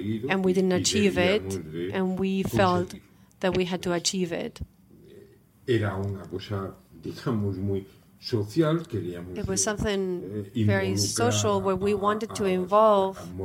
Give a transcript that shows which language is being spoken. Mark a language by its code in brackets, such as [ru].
[en] And we didn't achieve it, and we felt that we had to achieve it. [es] Era una cosa, digamos, muy social. Queríamos [en] it was something very social where we wanted to involve